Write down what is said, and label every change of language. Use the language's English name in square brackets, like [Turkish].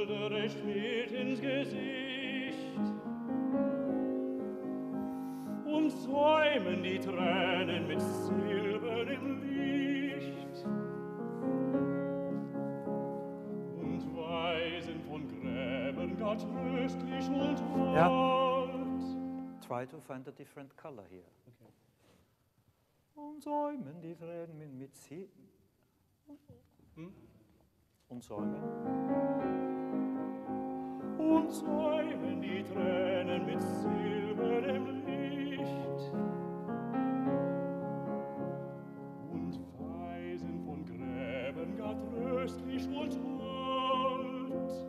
[German] Recht mild ins Gesicht und säumen die Tränen mit silbernem Licht und weisen von Gräbern gar tröstlich und fort. [English] Yeah. Try to find a different color here. Okay. [German] Und säumen die Tränen mit silbernem und säumen. Und säumen die Tränen mit silbernem Licht und weisen von Gräbern gar tröstlich und hold.